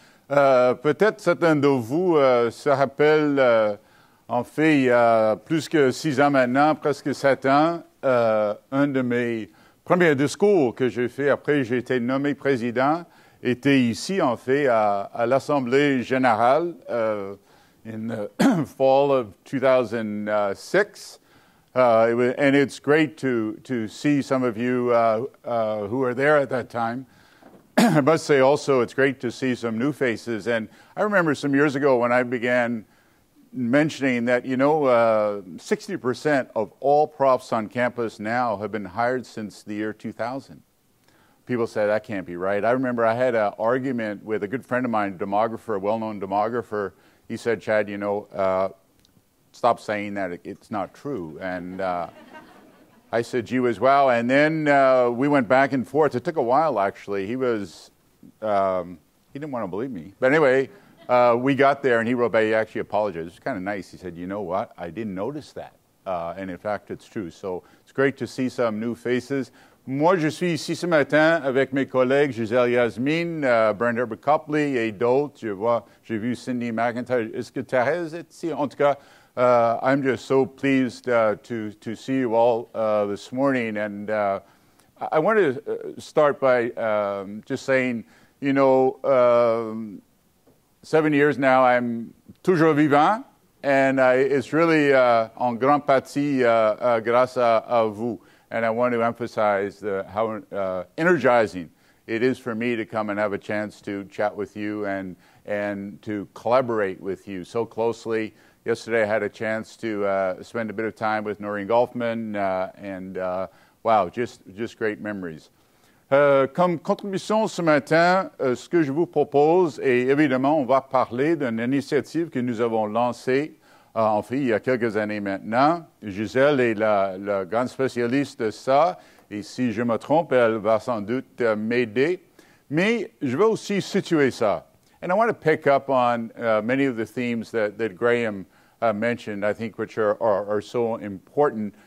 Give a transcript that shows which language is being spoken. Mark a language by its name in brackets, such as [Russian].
[French] Peut-être certains de vous se rappellent, en fait, il y a plus que 6 ans maintenant, presque 7 ans, un de mes premiers discours que j'ai fait après j'ai été nommé président était ici, en fait, à l'Assemblée générale, [English] in the fall of 2006. And it's great to see some of you who were there at that time. I must say also it's great to see some new faces. And I remember some years ago when I began mentioning that, 60% of all profs on campus now have been hired since the year 2000. People said, that can't be right. I remember I had an argument with a good friend of mine, a demographer, a well-known demographer. He said, Chad, stop saying that, it's not true. And I said, gee whiz, wow. And then we went back and forth. It took a while, actually. He was, he didn't want to believe me. But anyway, we got there, and he wrote back, he actually apologized. It was kind of nice. He said, you know what, I didn't notice that. And in fact, it's true. So it's great to see some new faces. [French] Moi, je suis ici ce matin avec mes collègues, Giselle Yasmine, Brent Herbert Copley, et d'autres. J'ai vu Cindy McIntyre. Est-ce que Thérèse est ici? En tout cas, [English] I'm just so pleased to see you all this morning. And I want to start by just saying, 7 years now, I'm [French] toujours vivant. [English] And it's really [French] en grande partie grâce à vous. [English] And I want to emphasize how energizing it is for me to come and have a chance to chat with you and to collaborate with you so closely. Yesterday, I had a chance to spend a bit of time with Noreen Goffman, wow, just great memories. [French] Comme contribution ce matin, ce que je vous propose, et évidemment, on va parler d'une initiative que nous avons lancée, il y a quelques années maintenant. Giselle est la grande spécialiste de ça, et si je me trompe, elle va sans doute m'aider. Mais je vais aussi situer ça. [English] And I want to pick up on many of the themes that Graham mentioned, I think, which are so important.